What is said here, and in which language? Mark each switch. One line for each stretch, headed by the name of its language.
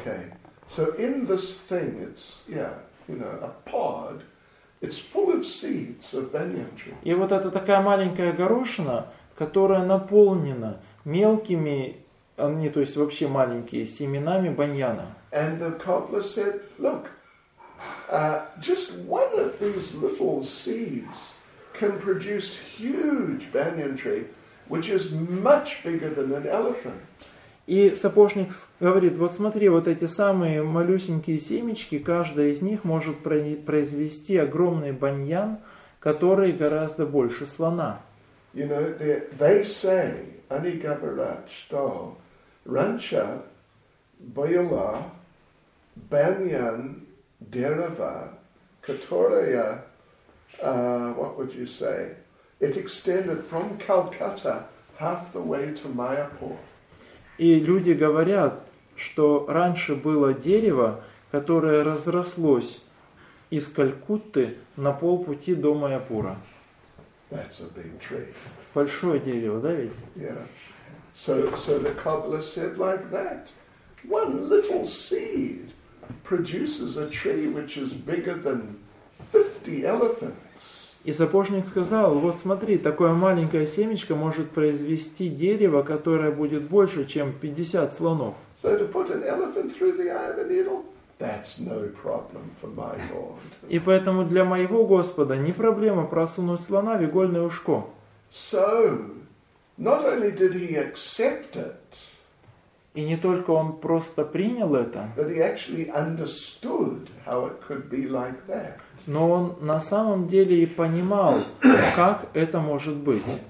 English: Okay. So in this thing it's a pod. It's full of seeds of banyan tree.
Russian: И вот это такая маленькая горошина, которая наполнена мелкими, они, то есть вообще маленькие, семенами баньяна.
English: And the cobbler said, look, just one of these little seeds can produce huge banyan tree, which is much bigger than an elephant.
Russian: И сапожник говорит: вот смотри, вот эти самые малюсенькие семечки, каждая из них может произвести огромный баньян, который гораздо больше слона.
English: You know, they say,
Russian: они говорят, что раньше было баньян дерево, которое,
English: what would you say, it extended from Calcutta half the way to Mayapur.
Russian: И люди говорят, что раньше было дерево, которое разрослось из Калькутты на полпути до Майяпура.
English: That's a big tree.
Russian: Большое дерево, да ведь?
English: Yeah. So the cobbler said like that. One little seed produces a tree which is bigger than 50 elephants.
Russian: И сапожник сказал: вот смотри, такое маленькое семечко может произвести дерево, которое будет больше, чем 50 слонов.
English: So to put an elephant through the eye of a needle, that's no problem for my Lord.
Russian: И поэтому для моего Господа не проблема просунуть слона в игольное ушко.
English: So, not only did he accept it,
Russian: и не только он просто принял это,
English: but he actually understood how it could be like that.
Russian: Но он на самом деле и понимал, как это может быть.